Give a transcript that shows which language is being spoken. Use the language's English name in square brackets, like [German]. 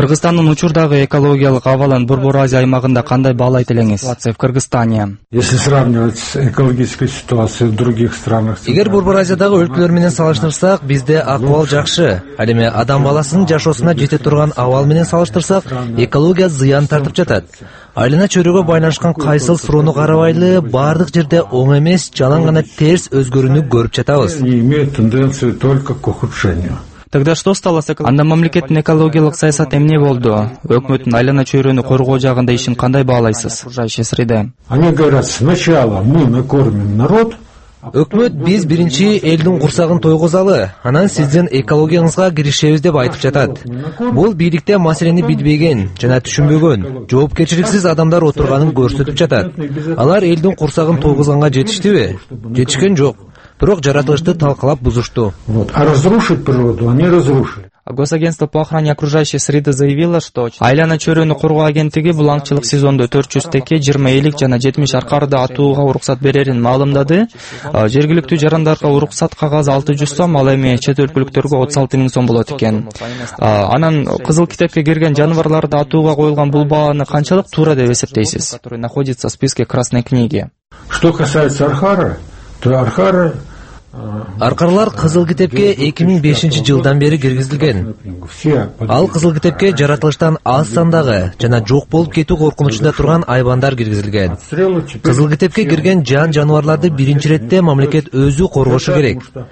[Kyrgyz] Кыргызстандын учурдагы экологиялык абалын Борбор Азия аймагында кандай баалайт элеңиз? [Russian] Ситуация в Кыргызстане. Если сравнивать с экологической ситуацией в других странах... [Kyrgyz] Эгер Борбор Азиядагы өлкөлөр менен салыштырсак, бизде акыбал жакшы. Ал эми адам баласынын жашоосуна жете турган абал менен салыштырсак, экология зыян тартып жатат. Айлана чөйрөгө байланышкан кайсыл суроону карабайлы, бардык жерде оң эмес, жалаң гана терс өзгөрүүнү көрүп жатабыз. [Russian] Тогда что стало с экологией? [Kyrgyz] Анда мамлекеттин экологиялык саясаты эмне болду? Өкмөттүн айлана чөйрөнү коргоо жагында ишин кандай баалайсыз? [Russian] Они говорят, сначала мы накормим народ. [Kyrgyz] Өкмөт биз биринчи элдин курсагын тойгозалы, анан сиздин экологияңызга киришебиз деп айтып жатат. Бул бийликте маселени билбеген жана түшүнбөгөн, жоопкерчиликсиз адамдар отурганын көрсөтүп жатат. Алар элдин курсагын тойгозганга жетиштиби? Жетишкен жок. Бирок жаратылышты талкалап бузушту. [Russian] А разрушить природу, они разрушили. Госагентство по охране окружающей среды заявило, что [Kyrgyz] Айлана чөйрөнү коргоо агенттиги бул аңчылык сезондо 400 теке, 20 эйлик жана 70 аркарды атууга уруксат берерин маалымдады. Жергиликтүү жарандарга уруксат кагазы 600 сом, ал эми чет өлкөлүктөргө 36 000 сом болот экен. Анан кызыл китепке кирген жаныбарларды атууга коюлган бул бааны канчалык туура деп эсептейсиз? [Russian] Который находится в списке Красной книги. Что касается архара, то архара... [Kyrgyz] Аркарлар кызыл китепке 2005 жылдан бери киргизилген. Ал кызыл китепке жаратылыштан аз сандагы жана жок болуп кетүү коркунучунда турган айбандар киргизилген. Кызыл китепке кирген жан жаныбарларды биринчи иретте мамлекет өзү коргошу керек.